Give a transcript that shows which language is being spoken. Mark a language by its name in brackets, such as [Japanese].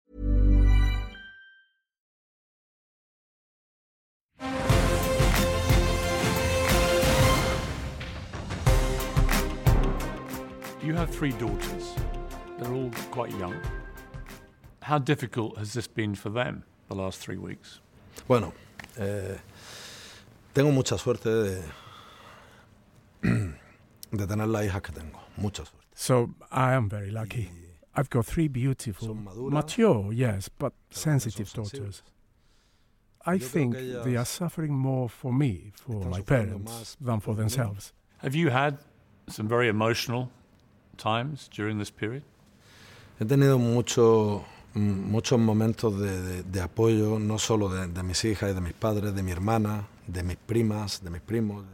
[English] We'll be right back. You have three daughters. They're all quite young. How difficult has this been for them the last 3 weeks? [Spanish] Bueno, tengo mucha suerte de tener las hijas que tengo. Mucha suerte. [English] So I am very lucky. I've got three beautiful, mature, yes, but sensitive daughters. I think they are suffering more for me, for my parents, than for themselves. Have you had some very emotional times during this period? [Spanish] He tenido muchos momentos de apoyo, no solo de mis hijas y de mis padres, de mi hermana, de mis primas, de mis primos.